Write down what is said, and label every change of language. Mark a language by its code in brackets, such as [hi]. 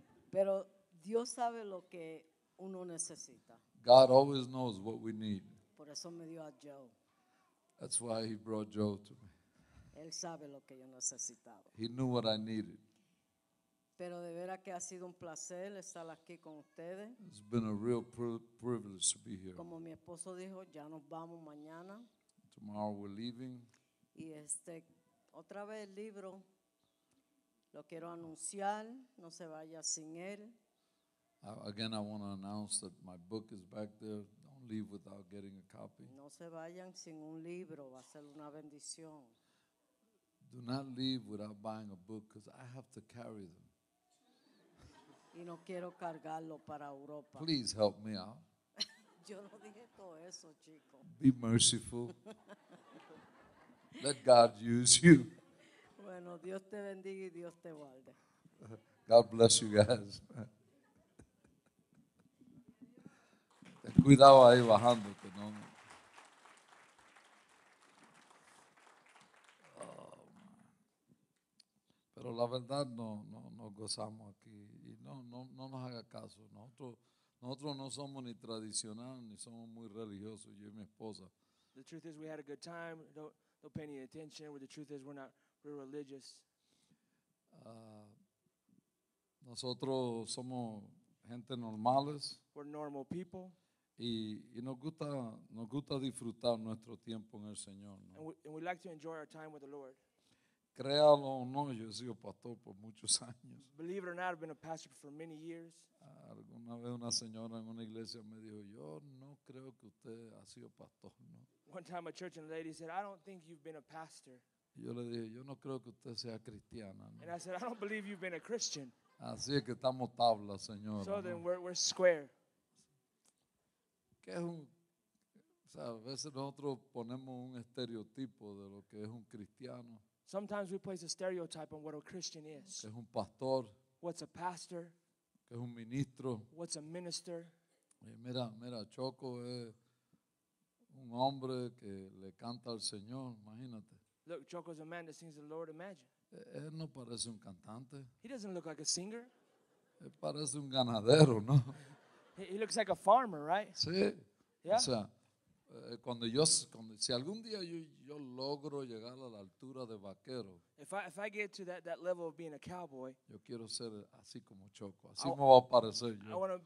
[es] Pero Dios sabe lo que uno necesita. [en] God always knows what we need. [es] Por eso me dio a Joe. [en] That's why he brought Joe to me. [es] Él sabe lo que yo necesitaba. [en] He knew what I needed. [es] Pero de veras que ha sido un placer estar aquí con ustedes. [en] It's been a real privilege to be here. [es] Como mi esposo dijo, ya nos vamos mañana. [en] Tomorrow we're leaving. [es] Y otra vez el libro, lo quiero anunciar, no se vaya sin él. [en] Again, I want to announce that my book is back there. Don't leave without getting a copy. [es] No se vayan sin un libro, va a ser una bendición. [en] Do not leave without buying a book because I have to carry them. [es] Y no quiero cargarlo para Europa. [en] Please help me out. [es] Yo no dije todo eso, chico. [en] Be merciful. Let God use you. [es] Bueno, Dios te bendiga y Dios te guarde. [en] God bless you guys. [es] Ten cuidado ahí bajándote, ¿no? Pero la verdad no gozamos aquí y no nos haga caso. Nosotros no somos ni tradicional ni somos muy religiosos, yo y mi esposa. [en] The truth is we had a good time, don't pay any attention. The truth is we're not real religious. [es] Nosotros somos gente normales. [en] We're normal people. [es] Y nos gusta disfrutar nuestro tiempo en el Señor, ¿no? [en] And we like to enjoy our time with the Lord. [es] Créalo o no, yo he sido pastor por muchos años. [en] Believe it or not, I've been a pastor for many years. [es] Alguna vez una señora en una iglesia me dijo, yo no creo que usted ha sido pastor, ¿no? [en] One time a church and a lady said, I don't think you've been a pastor. [es] Yo le dije, yo no creo que usted sea cristiana, ¿no? [en] And I said, I don't believe you've been a Christian. [es] Así es que estamos tabla, señora. [en] So [es] ¿no? [en] Then we're square. [es] ¿Qué es un... O sea, a veces nosotros ponemos un estereotipo de lo que es un cristiano. [en] Sometimes we place a stereotype on what a Christian is. [es] Que es un pastor. [en] What's a pastor? [es] Que es un ministro. [en] What's a minister? [es] Mira, Choco es un hombre que le canta al Señor, imagínate. [en] Look, Choco's a man that sings the Lord, imagine. [es] Él no parece un cantante. [en] He doesn't look like a singer. [es] Él parece un ganadero, ¿no? [en] He looks like a farmer, right? [es] Sí. [en] Yeah. [es] O sea, cuando si algún día yo logro llegar a la altura de vaquero, [en] if I get to that level of being a cowboy, [es] yo quiero ser así como Choco, así me va a parecer yo.